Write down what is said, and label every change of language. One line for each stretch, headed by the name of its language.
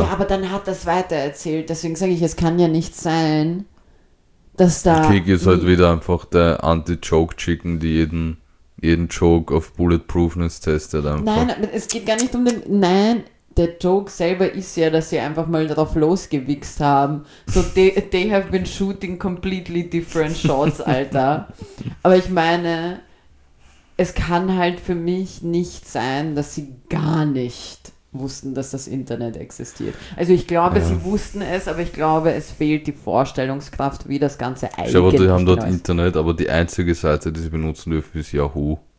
German: Ja, aber dann hat er es weiter erzählt, deswegen sage ich, es kann ja nicht sein. Dass da Kiki ist halt wieder einfach der Anti-Joke-Chicken, die jeden Joke auf Bulletproofness testet. Einfach. Nein, es geht gar nicht um den... Nein, der Joke selber ist ja, dass sie einfach mal drauf losgewichst haben.
English: So, they have been shooting completely different shots, Alter.
German: Aber ich meine, es kann halt für mich nicht sein, dass sie gar nicht wussten, dass das Internet existiert. Also ich glaube, sie wussten es, aber ich glaube, es fehlt die Vorstellungskraft, wie das Ganze eigentlich ist. Ich glaube, sie haben dort Internet, aber die einzige Seite, die sie benutzen dürfen, ist Yahoo.